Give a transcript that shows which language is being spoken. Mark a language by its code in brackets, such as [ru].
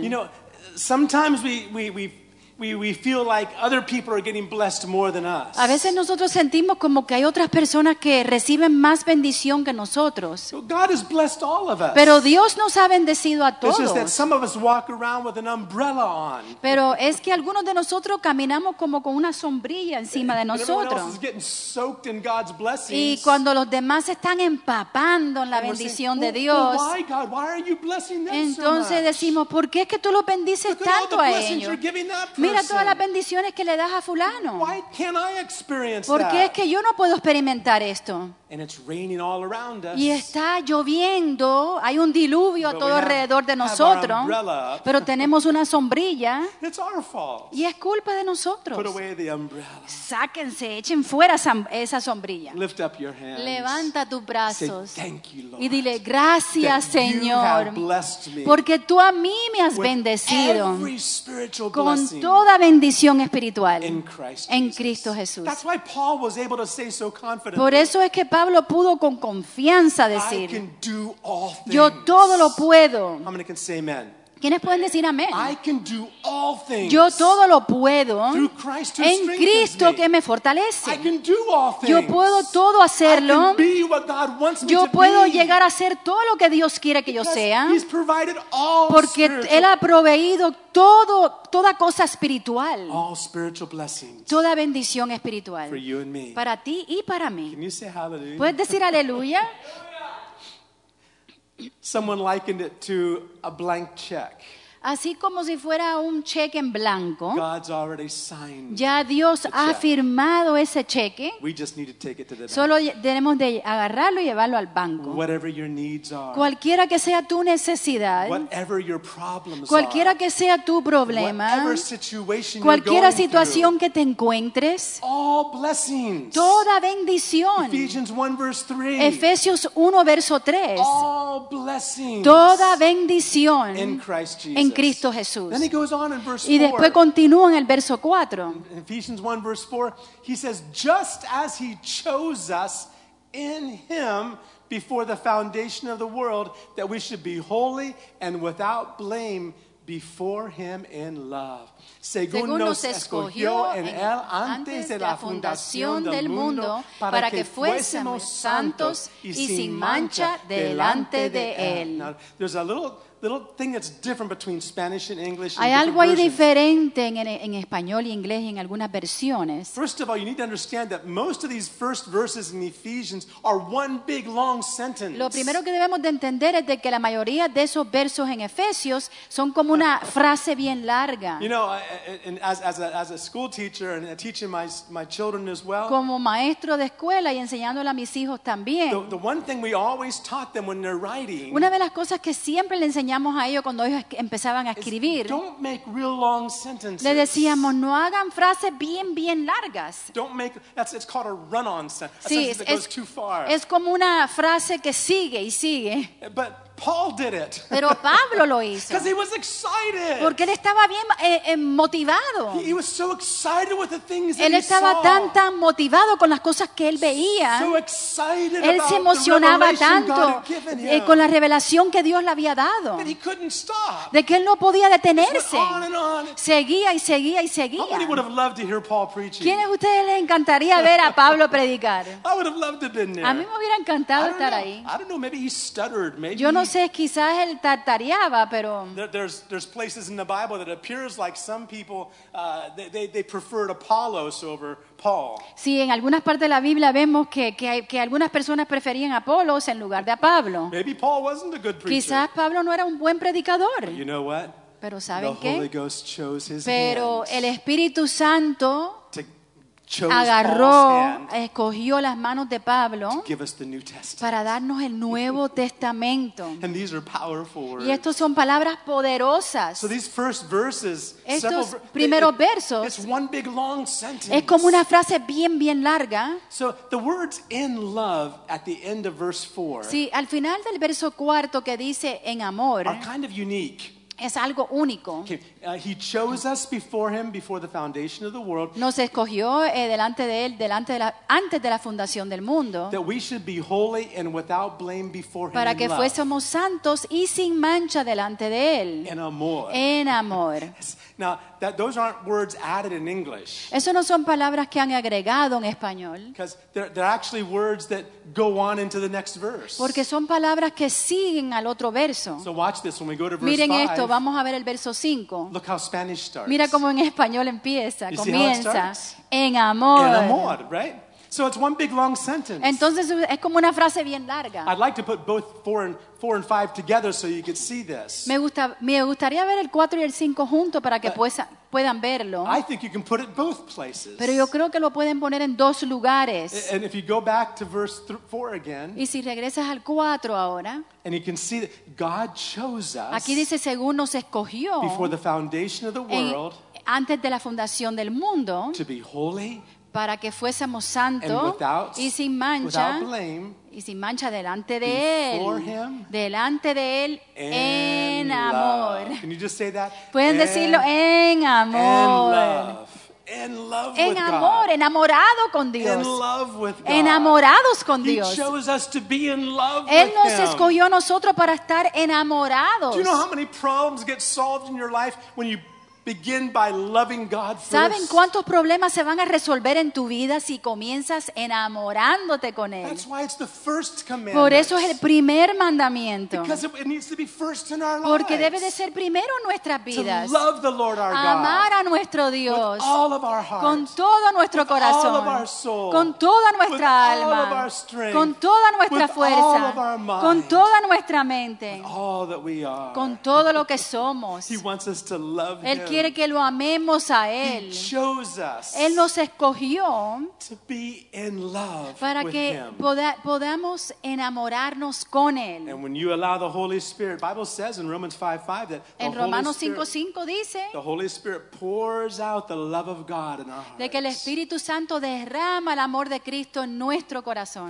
[en] You know, sometimes we feel like other people are getting blessed more than us. [es] A veces nosotros sentimos como que hay otras personas que reciben más bendición que nosotros. [en] God has blessed all of us. [es] Pero Dios nos ha bendecido a todos. [en] It's just that some of us walk around with an umbrella on. [es] Pero es que algunos de nosotros caminamos como con una sombrilla encima de nosotros. [en] Everyone else is getting soaked in God's blessings. [es] Y cuando los demás están empapando en la bendición de Dios. [en] Well, why, God? Why are you blessing them [es] entonces [en] so much? [es] Decimos, ¿por qué es que tú los bendices [en] Look [es] tanto [en] at all the [es] a ellos? [en] You're giving that [es] Mira todas las bendiciones que le das a fulano. [en] Why can't I experience [es] ¿Por qué [en] that? [es] Es que yo no puedo experimentar esto? [en] And it's raining all around us. [es] Y está lloviendo, hay un diluvio [en] But [es] a todo alrededor de nosotros. Pero tenemos una sombrilla. [en] It's our fault. [es] Y es culpa de nosotros. [en] Put away the umbrella. [es] Sáquense, echen fuera esa sombrilla. [en] Lift up your hands. [es] Levanta tus brazos. [en] Say, Thank you, Lord, [es] y dile, gracias, Señor. [en] You have blessed me [es] porque tú a mí me has bendecido. [en] Every spiritual [es] con [en] blessing [es] toda bendición espiritual. [en] In Christ [es] en [en] Jesus. [es] Cristo Jesús. [en] That's why Paul was able to say so confidently. [es] Por eso es que Pablo pudo con confianza decir [en] I can do all things. [es] Yo todo lo puedo. [en] How many can say amen? [es] ¿Quiénes pueden decir amén? [en] I can do all things. [es] Yo todo lo puedo [en] Through Christ who [es] en Cristo [en] me. [es] Que me fortalece. [en] I can do all things. [es] Yo puedo todo hacerlo. [en] I can be what God wants me [es] yo puedo [en] to be. [es] Llegar a ser todo lo que Dios quiere que [en] Because [es] yo sea [en] he's provided all [es] porque [en] spiritual. [es] Él ha proveído todo, toda cosa espiritual. [en] All spiritual blessings [es] toda bendición espiritual [en] for you and me. [es] Para ti y para mí. [en] Can you say hallelujah? [es] ¿Puedes decir aleluya? [en] Someone likened it to a blank check. [es] Así como si fuera un cheque en blanco. [en] God's already signed [es] ya Dios [en] the [es] ha [en] check. [es] Firmado ese cheque. [en] We just need to take it to the [es] Solo [en] bank. [es] Tenemos de agarrarlo y llevarlo al banco. [en] Whatever your needs are, [es] cualquiera que sea tu necesidad. [en] Whatever your problems [es] cualquiera [en] are, [es] que sea tu problema. [en] Whatever situation [es] cualquiera [en] you're going [es] situación [en] through, [es] que te encuentres. [en] All blessings. [es] Toda bendición. [en] Ephesians 1 verse 3. [es] Efesios 1 verso 3. [en] All blessings. [es] Toda bendición. [en] In Christ Jesus. [es] En Cristo Jesús. [en] Then he goes on in verse 4. [es] Y después continúa en el verso 4. [en] In Ephesians 1 verse 4, he says, just as he chose us in him before the foundation of the world, that we should be holy and without blame before him in love. [es] Según nos escogió en él antes de la fundación del mundo para que fuésemos santos y sin mancha delante de él. [en] Now, there's a little thing that's different between Spanish and English. [es] Hay algo ahí diferente en español y inglés y en algunas versiones. [en] First of all, you need to understand that most of these first verses in Ephesians are one big long sentence. [es] Lo primero que debemos de entender es de que la mayoría de esos versos en Efesios son como una frase bien larga. [en] You know, as a school teacher and teaching my children as well. [es] Como maestro de escuela y enseñándole a mis hijos también. [en] The one thing we always taught them when they're writing. [es] Una de las cosas que siempre le enseñamos a ellos cuando ellos empezaban a escribir le decíamos no hagan frases bien bien largas [en] it's called a run-on sentence sí, that goes too far. [es] Es como una frase que sigue y sigue [en] But Paul did it. [es] Pero Pablo lo hizo. [en] Because he was excited. [es] Porque él estaba bien motivado. [en] He was so excited with the things that he saw. [es] Él estaba tan motivado con las cosas que él veía. [en] So excited [es] él [en] about [es] se emocionaba [en] the revelation [es] tanto [en] God had given him. [es] Con la revelación que Dios le había dado. [en] That he couldn't stop. [es] De que él no podía detenerse. [en] He went on and on. [es] Seguía y seguía y seguía. [en] How many would have loved to hear Paul preaching? [es] ¿Quiénes de ustedes les encantaría ver a Pablo predicar? [en] I would have loved to have been there. [es] A mí me hubiera encantado estar ahí. [en] I don't know, maybe he stuttered, maybe [es] Yo no veces quizás él tartareaba, pero [en] there's places in the Bible that appears like some people they preferred Apollos over Paul. [es] Sí, en algunas partes de la Biblia vemos que algunas personas preferían a Apolos en lugar de a Pablo. [en] Maybe Paul wasn't a good preacher. [es] Quizás Pablo no era un buen predicador. [en] But you know what? [es] Pero ¿saben qué? [en] The Holy Ghost chose his [es] pero [en] hands [es] el Espíritu Santo agarró, escogió las manos de Pablo para darnos el Nuevo Testamento. [en] And these are powerful words. [es] Y estos son palabras poderosas. [en] So these first verses, [es] estos primeros versos, [en] it's one big long sentence. [es] Es como una frase bien, bien larga. [en] So the words in love at the end of verse 4, [es] sí, al final del verso cuarto que dice en amor, [en] are kind of unique. [es] Es algo único. [en] Okay. He chose us before him, before the foundation of the world. [es] Nos escogió delante de él, delante de la, antes de la fundación del mundo. [en] That we should be holy and without blame before him. [es] Para que fuésemos santos y sin mancha delante de él. En amor. En amor. [en] Now, that those aren't words added in English. [es] Eso no son palabras que han agregado en español. [en] Because they're actually words that go on into the next verse. [es] Porque son palabras que siguen al otro verso. [en] So watch this when we go to verse [es] 5. Miren esto, vamos a ver el verso 5. [en] Look how Spanish starts. [es] Mira cómo en español empieza, [en] you [es] comienza en amor. En amor, [en] right? So it's one big long sentence. [es] Entonces es como una frase bien larga. [en] I'd like to put both 4 and 5 together so you could see this. [es] Me gustaría ver el 4 y el 5 junto para que puedan verlo. [en] I think you can put it both places. [es] Pero yo creo que lo pueden poner en dos lugares. [en] And if you go back to verse 4 again. [es] Y si regresas al 4 ahora. [en] And you can see that God chose us. [es] Aquí dice según nos escogió. [en] Before the foundation of the world. [es] Antes de la fundación del mundo. [en] To be holy. [es] Para que fuésemos santos y sin mancha, [en] blame, [es] y sin mancha delante de él, delante de él en amor. [en] Can you just say that? [es] Pueden decirlo en amor. [en] In love [es] en [en] with [es] amor, [en] God. [es] Enamorado con Dios. [en] In love with God. [es] Enamorados con Dios. [en] He chose us to be in love [es] Él [en] with [es] nos [en] him. [es] Escogió a nosotros para estar enamorados. [en] Do you know how many problems get solved in your life when you begin by loving God first? [es] ¿Saben cuántos problemas se van a resolver en tu vida si comienzas enamorándote con él? [en] That's why it's the first commandment. [es] Por eso es el primer mandamiento. [en] Because it needs to be first in our lives. [es] Porque debe de ser primero en nuestras vidas. [en] To love the Lord our God. [es] Amar a nuestro Dios. [en] With all of our heart. [es] Con todo nuestro corazón. [en] With all of our soul. [es] Con toda nuestra [en] with [es] alma. [en] With all of our strength. [es] Con toda nuestra [en] with [es] fuerza. [en] With all of our mind. [es] Con toda nuestra mente. [en] With all that we are. [es] Con todo lo que somos. [en] He wants us to love [es] él [en] him. [es] Quiere que lo amemos a Él. [en] He chose us. [es] Él nos escogió [en] to be in love [es] para [en] with [es] que [en] him. [es] Podamos enamorarnos con Él. [en] And when you allow the Holy Spirit, Bible says in Romans 5:5 that [es] en Romanos 5:5 dice [en] the Holy Spirit pours out the love of God in our hearts. [es] De que el Espíritu Santo derrama el amor de Cristo en nuestro corazón.